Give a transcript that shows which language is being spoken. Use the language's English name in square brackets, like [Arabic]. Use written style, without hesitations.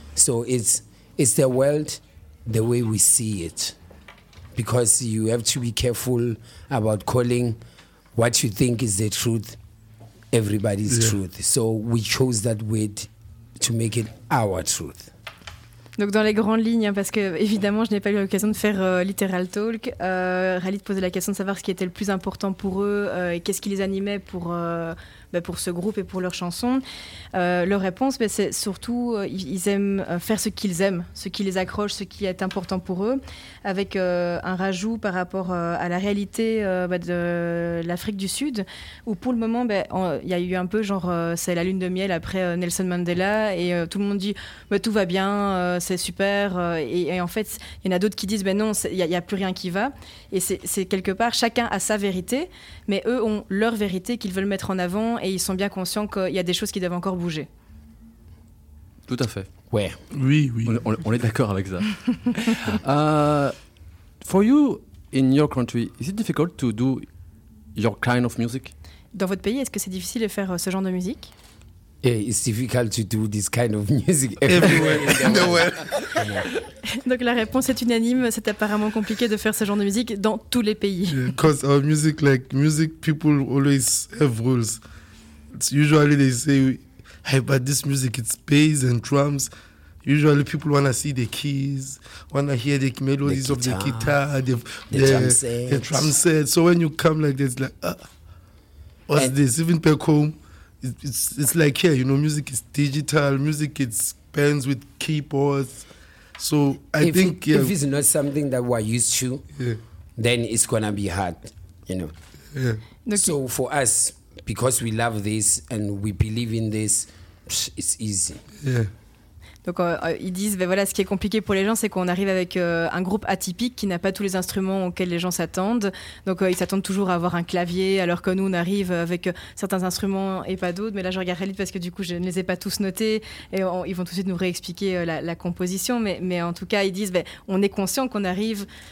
[English] So it's the world the way we see it. Because you have to be careful about calling what you think is the truth everybody's truth. So we chose that word to make it our truth. [French] Donc dans les grandes lignes, parce que évidemment je n'ai pas eu l'occasion de faire Literal Talk, Khalid posait la question de savoir ce qui était le plus important pour eux et qu'est-ce qui les animait pour ce groupe et pour leurs chansons. Leur réponse, c'est surtout ils aiment faire ce qu'ils aiment, ce qui les accroche, ce qui est important pour eux, avec un rajout par rapport à la réalité de l'Afrique du Sud, où pour le moment, il y a eu un peu genre c'est la lune de miel après Nelson Mandela, et tout le monde dit tout va bien, c'est super, et en fait, il y en a d'autres qui disent non, il n'y a plus rien qui va, et c'est quelque part, chacun a sa vérité, mais eux ont leur vérité qu'ils veulent mettre en avant, et ils sont bien conscients qu'il y a des choses qui doivent encore bouger. Tout à fait. Ouais. Oui, oui. On est d'accord avec ça. [English] For you, in your country, is it difficult to do your kind of music? [French] Dans votre pays, est-ce que c'est difficile de faire ce genre de musique? [English] Yeah, it's difficult to do this kind of music everywhere in the world. [French] Donc la réponse est unanime, c'est apparemment compliqué de faire ce genre de musique dans tous les pays. [English] Because our music, like music, people always have rules. It's usually they say, hey, but this music, it's bass and drums. Usually people want to see the keys, want to hear the melodies of the guitar, the drum set. So when you come like this, like, what's and this? Even back home, it's like here, you know, music is digital, music is bands with keyboards. So if it's not something that we're used to, then it's gonna be hard, you know. Yeah. Okay. So for us, because we love this and we believe in this, it's easy. Yeah. [French] Donc ils disent, ce qui est compliqué pour les gens, c'est qu'on arrive avec un groupe atypique qui n'a pas tous les instruments auxquels les gens s'attendent. Donc ils s'attendent toujours à avoir un clavier, alors que nous, on arrive avec certains instruments et pas d'autres. Mais là, je regarde Khalid parce que du coup, je ne les ai pas tous notés et ils vont tout de suite nous réexpliquer la composition. Mais en tout cas, ils disent, on est conscient qu'on arrive